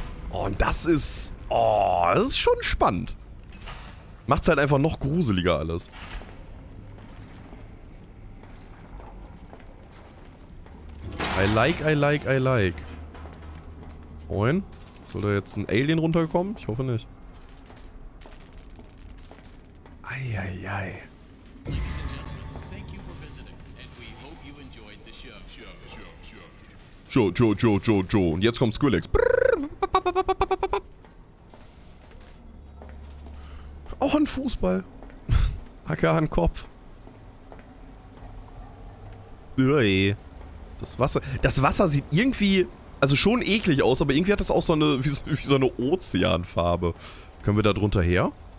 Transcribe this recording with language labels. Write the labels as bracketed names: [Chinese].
[German] Und das ist... oh, das ist schon spannend. Macht's halt einfach noch gruseliger alles. [English] I like. Moin. [German] Soll da jetzt ein Alien runterkommen? Ich hoffe nicht. Eieiei. [English] Ladies and gentlemen, thank you for visiting and we hope you enjoyed the show. [German] Joe. Und jetzt kommt Skrillex. Auch ein Fußball. Hacker an Kopf. Uiei. Das Wasser sieht irgendwie, also schon eklig aus, aber irgendwie hat das auch so eine, wie so eine Ozeanfarbe. Können wir da drunter her?